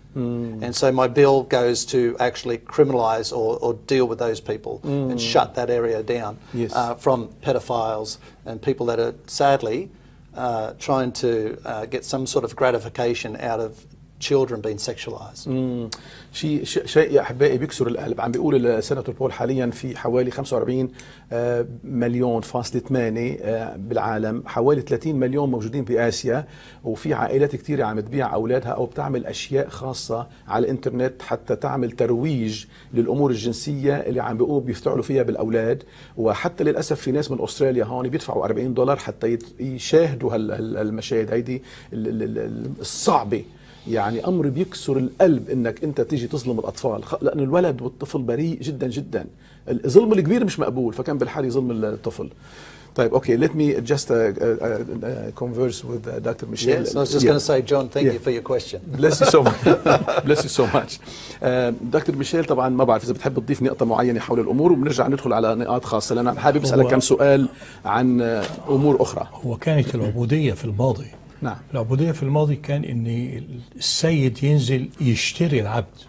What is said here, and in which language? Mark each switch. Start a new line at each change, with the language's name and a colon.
English: And so my bill goes to actually criminalize or deal with those people and shut that area down from pedophiles and people that are sadly trying to get some sort of gratification out of children being sexualized.
Arabic: شيء يا احبائي بيكسر القلب. عم بيقول السيناتور بول حاليا في حوالي 45 مليون فاصل 8 بالعالم, حوالي 30 مليون موجودين بآسيا, وفي عائلات كثيرة عم تبيع اولادها او بتعمل اشياء خاصة على الانترنت حتى تعمل ترويج للامور الجنسية اللي عم بيقول بيفتعلوا فيها بالاولاد. وحتى للاسف في ناس من استراليا هون بيدفعوا $40 حتى يشاهدوا هالمشاهد هيدي الصعبة. يعني أمر بيكسر القلب إنك أنت تيجي تظلم الأطفال, لأن الولد والطفل بريء جدا جدا. الظلم الكبير مش مقبول, فكان بالحال يظلم الطفل. طيب أوكي,
English: let me just converse with Dr. Michelle. Yes, I was just going to say, John, thank you for your question. Bless you so much. Bless you so much. Dr.
Arabic: Michelle, طبعا ما بعرف إذا بتحب تضيف نقطة معينة حول الأمور, وبنرجع ندخل على نقاط خاصة, لأن أنا حابب أسألك كم سؤال عن أمور أخرى. هو كانت العبودية في الماضي. نعم. العبودية في الماضي كان ان السيد ينزل يشتري العبد.